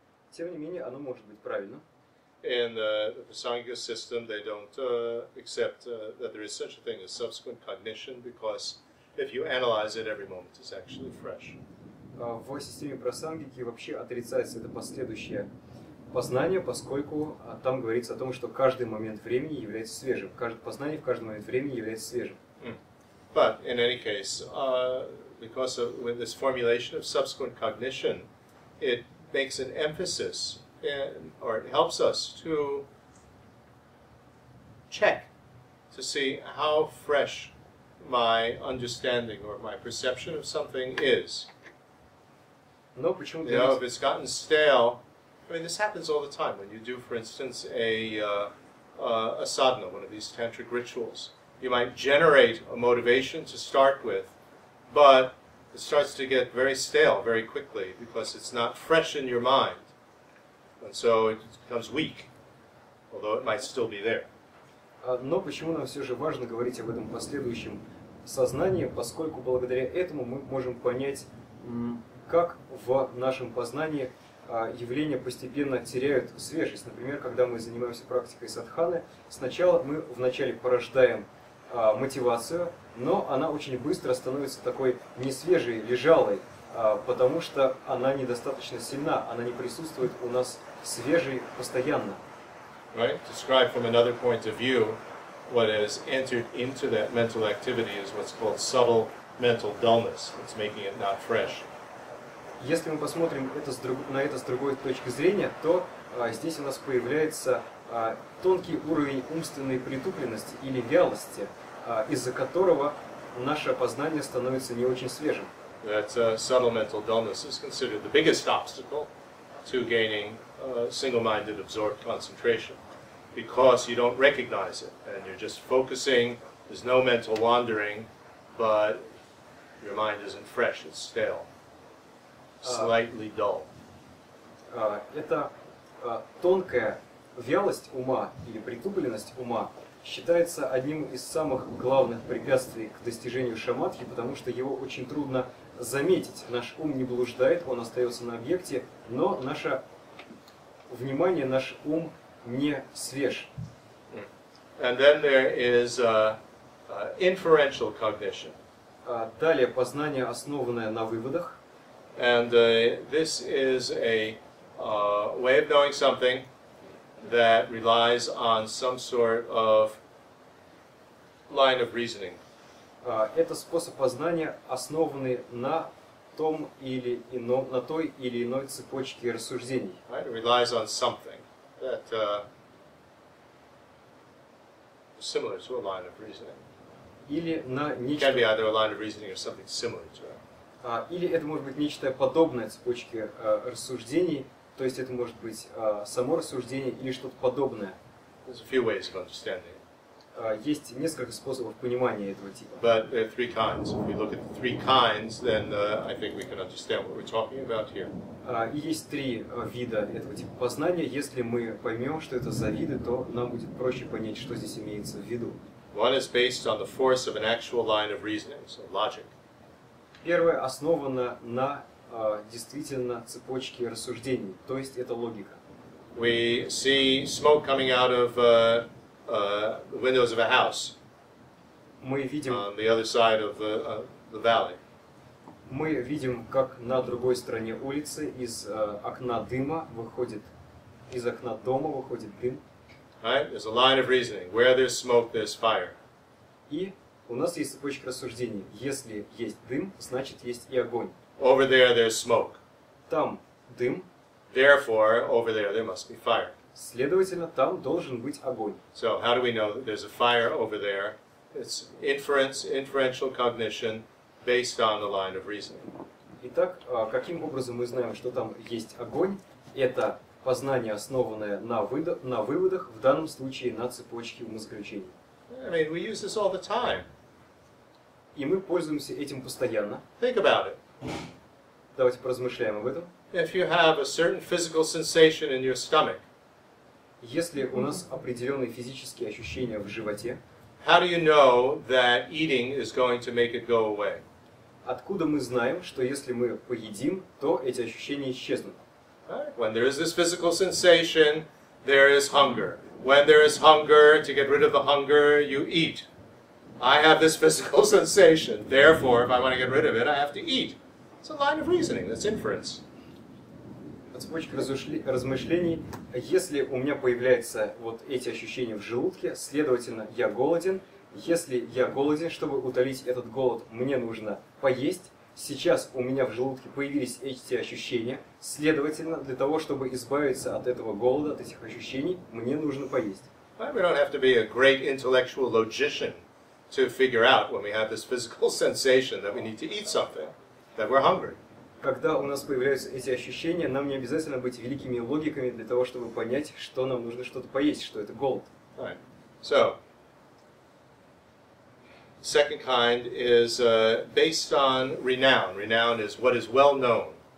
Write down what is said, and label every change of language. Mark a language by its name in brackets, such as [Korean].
[Russian] Тем не менее, оно может быть правильно. [English] In the Vasanga system, they don't accept that there is such a thing as subsequent cognition, because if you analyze it, every moment is actually fresh. [Russian] В системе Прасангики вообще отрицается это последующее познание, поскольку там говорится о том, что каждый момент времени является свежим. Каждое познание в каждый момент времени является свежим. [English] But in any case, because of with this formulation of subsequent cognition, it makes an emphasis. Or it helps us to check to see how fresh my understanding or my perception of something is. No, but you know, if it's gotten stale, I mean, this happens all the time when you do, for instance, a sadhana, one of these tantric rituals. You might generate a motivation to start with, but it starts to get very stale very quickly because it's not fresh in your mind. And so it becomes weak, although it might still be there. [Russian] Но почему нам все же важно говорить об этом последующем сознании, поскольку благодаря этому мы можем понять, как в нашем познании явления постепенно теряют свежесть. Например, когда мы занимаемся практикой садханы, сначала мы вначале порождаем мотивацию, но она очень быстро становится такой несвежей, лежалой, потому что она недостаточно сильна, она не присутствует у нас свежей постоянно. [English] Right? Describe from another point of view what has entered into that mental activity is what's called subtle mental dullness. It's making it not fresh. [Russian] Если мы посмотрим это на это с другой точки зрения, то здесь у нас появляется тонкий уровень умственной притупленности или вялости, из-за которого наше познание становится не очень свежим. [English] That subtle mental dullness is considered the biggest obstacle to gaining single-minded absorbed concentration, because you don't recognize it and you're just focusing. There's no mental wandering, but your mind isn't fresh, it's stale, slightly dull. [Russian] Это тонкая вялость ума или притупленность ума считается одним из самых главных препятствий к достижению шамадхи, потому что его очень трудно заметить. Наш ум не блуждает, он остается на объекте, но наше внимание, наш ум не свеж. [English] And then there is inferential cognition. [Russian] Далее познание, основанное на выводах. [English] And this is a way of knowing something that relies on some sort of line of reasoning. [Russian] Это способ познания, основанный на том или ином, на той или иной цепочке рассуждений. [English] Right, it relies on something that similar to a line of reasoning. [Russian] Или на нечто. [English] It can be either a line of reasoning or something similar to it. [Russian] Или это может быть нечто подобное цепочке рассуждений, то есть это может быть само рассуждение или что-то подобное. [English] There's a few ways of understanding. [Russian] Есть несколько способов понимания этого типа. [English] But there are three kinds. If we look at the three kinds, then I think we can understand what we're talking about here. [Russian] Есть три вида этого типа познания. Если мы поймем, что это за виды, то нам будет проще понять, что здесь имеется в виду. [English] One is based on the force of an actual line of reasoning, so logic. [Russian] Первое основано на действительно цепочке рассуждений, то есть это логика. [English] We see smoke coming out of the windows of a house. [Russian] Мы видим [English] on the other side of the valley. [Russian] Мы видим, как на другой стороне улицы из окна дыма выходит, из окна дома выходит дым. [English] Right, there's a line of reasoning. Where there's smoke, there's fire. [Russian] И у нас есть цепочка рассуждений. Если есть дым, значит есть и огонь. [English] Over there there's smoke. [Russian] Там дым. [English] Therefore, over there there must be fire. [Russian] Следовательно, там должен быть огонь. [English] So, how do we know that there's a fire over there? It's inference, inferential cognition, based on the line of reasoning. [Russian] Итак, каким образом мы знаем, что там есть огонь? Это познание, основанное на выводах, в данном случае на цепочке умозаключений. [English] I mean, we use this all the time. [Russian] И мы пользуемся этим постоянно. [English] Think about it. [Russian] Давайте поразмышляем об этом. [English] If you have a certain physical sensation in your stomach, [Russian] если у нас определенные физические ощущения в животе, [English] how do you know that eating is going to make it go away? [Russian] Откуда мы знаем, что если мы поедим, то эти ощущения исчезнут? [English] When there is this physical sensation, there is hunger. When there is hunger, to get rid of the hunger, you eat. I have this physical sensation, therefore, if I want to get rid of it, I have to eat. It's a line of reasoning, that's inference. [Russian] Цепочка размышлений. Если у меня появляются вот эти ощущения в желудке, следовательно, я голоден. Если я голоден, чтобы утолить этот голод, мне нужно поесть. Сейчас у меня в желудке появились эти ощущения. Следовательно, для того, чтобы избавиться от этого голода, от этих ощущений, мне нужно поесть. [English] We don't have to be a great intellectual logician to figure out when we have this physical sensation that we need to eat something, that we're hungry. [Russian] Когда у нас появляются эти ощущения, нам не обязательно быть великими логиками для того, чтобы понять, что нам нужно что-то поесть, что это голод. [English] Right. So, second kind is based on renown. Renown is what is well known.